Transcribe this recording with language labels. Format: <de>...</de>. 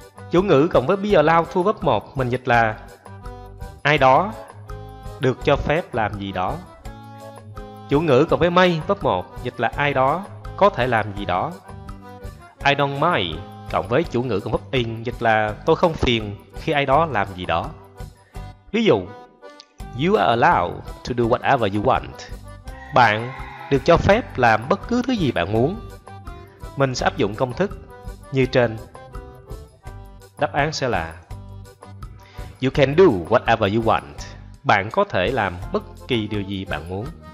<vi>Chủ ngữ cộng với</vi> <en>be allowed to verb 1</en> <vi>mình dịch là ai đó được cho phép làm gì đó. Chủ ngữ cộng với may verb 1 dịch là ai đó có thể làm gì đó.</vi> <en>I don't mind</en> <vi>cộng với chủ ngữ cộng verb in dịch là tôi không phiền khi ai đó làm gì đó. Ví dụ,</vi> <en>you are allowed to do whatever you want.</en> <vi>Bạn được cho phép làm bất cứ thứ gì bạn muốn. Mình sẽ áp dụng công thức như trên. Đáp án sẽ là</vi> <en>you can do whatever you want.</en> <vi>Bạn có thể làm bất kỳ điều gì bạn muốn.</vi>